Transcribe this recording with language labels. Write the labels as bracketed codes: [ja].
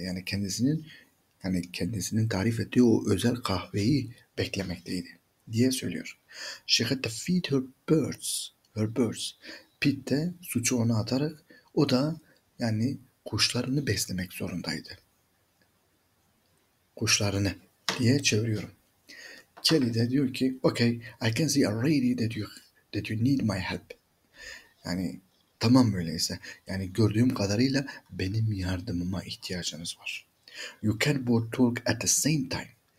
[tr] Yani kendisinin tarif ettiği o özel kahveyi beklemekteydi. Diye söylüyor. [en] She had to feed her birds. Her birds. [tr] Pete de suçu ona atarak o da yani kuşlarını beslemek zorundaydı. Kuşlarını diye çeviriyorum. Kelly de diyor ki [en] okay I can see already that you need my help. [tr] Yani tamam öyleyse yani gördüğüm kadarıyla benim yardımıma ihtiyacınız var. [en] You can both talk at the same time.